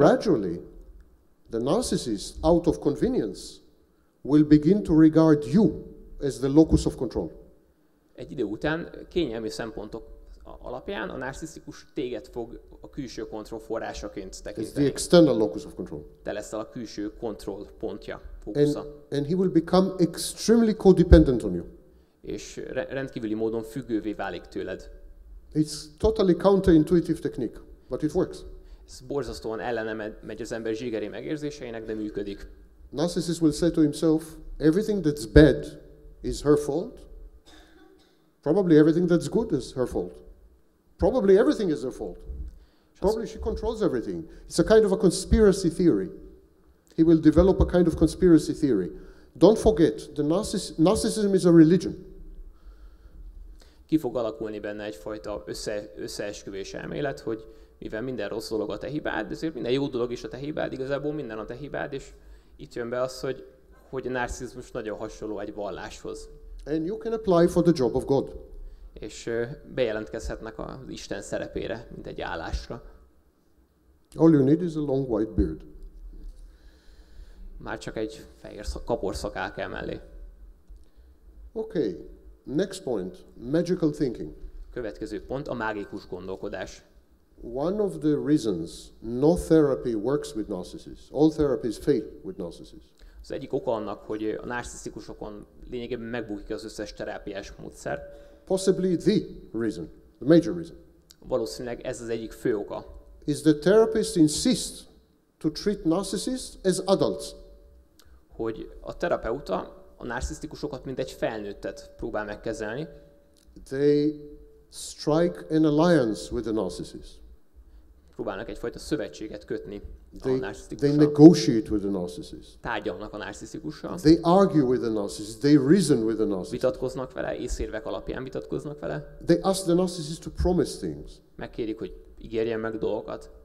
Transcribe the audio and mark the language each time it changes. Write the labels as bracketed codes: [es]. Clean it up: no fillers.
[en] Gradually, the narcissist, out of convenience, will begin to regard you as the locus of control. [hu] Egy idő után, kényelmi szempontok alapján a narcisztikus téged fog a külső kontroll forrásaként tekinteni. [en] It's the external locus of control. [hu] Te leszel a külső kontroll pontja, fókusza. [en] And he will become extremely codependent on you. [hu] És rendkívüli módon függővé válik tőled. [en] It's totally counterintuitive technique, but it works. [hu] Ez borzasztóan ellene megy az ember zsigeri megérzéseinek, de működik. [en] Narcissist will say to himself, everything that's bad is her fault. Probably everything that's good is her fault. Probably everything is her fault. Probably she controls everything. It's a kind of a conspiracy theory. He will develop a kind of conspiracy theory. Don't forget, the narcissism is a religion. [hu] Ki fog alakulni benne egyfajta összeesküvés elmélet, hogy mivel minden rossz dolog a te hibád, ezért minden jó dolog is a te hibád, igazából minden a te hibád, és itt jön be az, hogy a narcizmus nagyon hasonló egy valláshoz. [en] And you can apply for the job of God. [hu] És bejelentkezhetnek az Isten szerepére, mint egy állásra. [en] All you need is a long white beard. [hu] Már csak egy fehér kaporszakál kell mellé. [en] Okay. Next point, magical thinking. [hu] Következő pont a mágikus gondolkodás. [en] One of the reasons no therapy works with narcissists, all therapies fail with narcissists. [hu] Az egyik oka annak, hogy a narcisztikusokon lényegében megbukik az összes terápiás módszer. [en] Possibly the reason, the major reason. [hu] Valószínűleg ez az egyik fő oka. [en] Is the therapist insists to treat narcissists as adults. [hu] Hogy a terapeuta a narcisztikusokat mint egy felnőttet próbál megkezelni. [en] They strike an alliance with the narcissist. [hu] Próbálnak egyfajta szövetséget kötni [en] they, [hu] a narcisztikussal. [en] They negotiate with the narcissist. [hu] Tárgyalnak a narcisztikussal. [en] They argue with the narcissist. They reason with the narcissist. [hu] Vitatkoznak vele, észérvek alapján vitatkoznak vele. [en] They ask the narcissist to promise things. [hu] Megkérik, hogy ígérjen meg dolgokat.